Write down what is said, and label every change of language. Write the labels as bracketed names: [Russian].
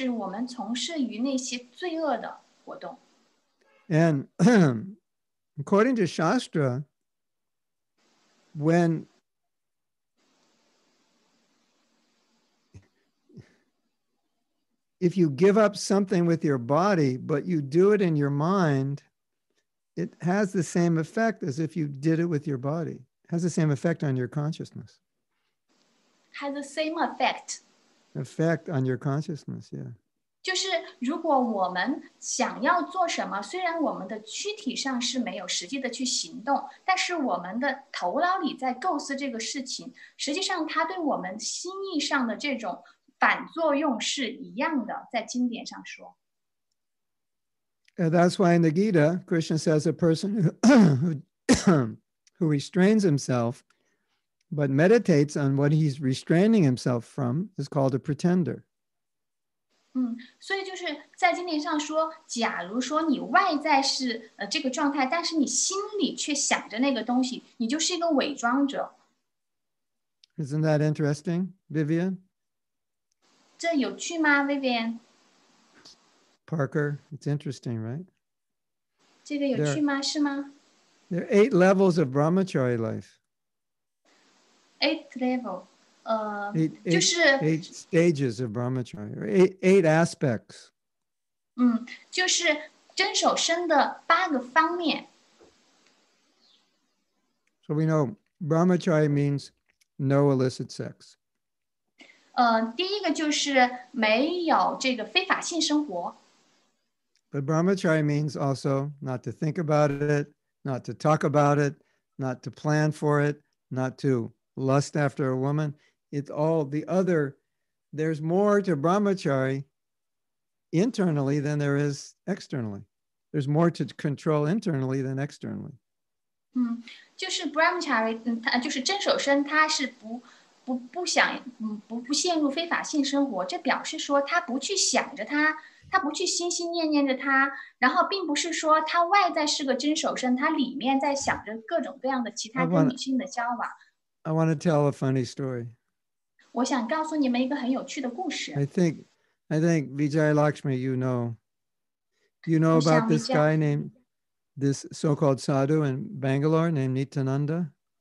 [Chinese] 或者更糟糕的就是我们从事于那些罪恶的活动。 [English] And according to Shastra, if you give up something with your body, but you do it in your mind, it has the same effect as if you did it with your body. It has the same effect on your consciousness. Has the same effect. Effect on your consciousness, yeah. [Chinese] 就是如果我们想要做什么, 虽然我们的躯体上是没有实际的去行动, 但是我们的头脑里在构思这个事情, 实际上它对我们心意上的这种 反作用是一样的，在经典上说。 [English] And that's why in the Gita, Krishna says a person who restrains himself but meditates on what he's restraining himself from is called a pretender. [Chinese] 所以就是在经典上说，假如说你外在是这个状态， 但是你心里却想着那个东西， 你就是一个伪装者。 [English] Isn't that interesting, Vivian? [Chinese] 这有趣吗, Vivian? [English] Parker, it's interesting, right? [Chinese] 这个有趣吗, 是吗? [English] There are 8 levels of brahmachari life. 8th level. 8 stages of brahmachari, or 8 aspects. [Chinese] 就是真守身的8个方面。 [English] So we know brahmachari means no illicit sex. [Chinese] 第一个就是没有这个非法性生活。 [English] But brahmachari means also not to think about it, not to talk about it, not to plan for it, not to lust after a woman. It's all the other, there's more to brahmachari internally than there is externally. There's more to control internally than externally. [Chinese] 就是brahmachari, 就是真守身它是不 不陷入非法性生活，这表示说他不去想着他，他不去心心念念着他，然后并不是说他外在是个真守身，他里面在想着各种各样的其他跟女性的交往。 [English] I want to tell a funny story. [Chinese] 我想告诉你们一个很有趣的故事。 [English] I think Vijayalakshmi, you know about this guy named this so-called sadhu in Bangalore named Nityananda.